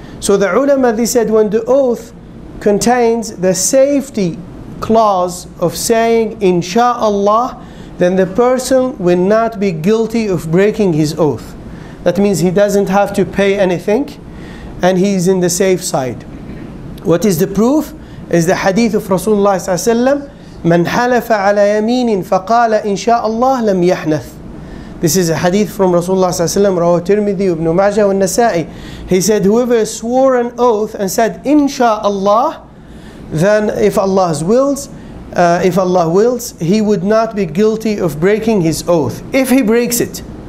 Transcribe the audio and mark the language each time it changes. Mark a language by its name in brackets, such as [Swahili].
[English] So the ulama, they said, when the oath contains the safety clause of saying insha'Allah, then the person will not be guilty of breaking his oath. That means he doesn't have to pay anything, and he is in the safe side. What is the proof? Is the hadith of Rasulullah [Arabic] ﷺ, "من حلف على يمين فقال إن شاء الله لم يحنث." [English] This is a hadith from Rasulullah ﷺ, Rawah Tirmidhi, Ibn Majah, and Nasa'i. He said, "Whoever swore an oath and said [Arabic] إن شاء الله, [English] then if Allah's wills, if Allah wills, he would not be guilty of breaking his oath. If he breaks it."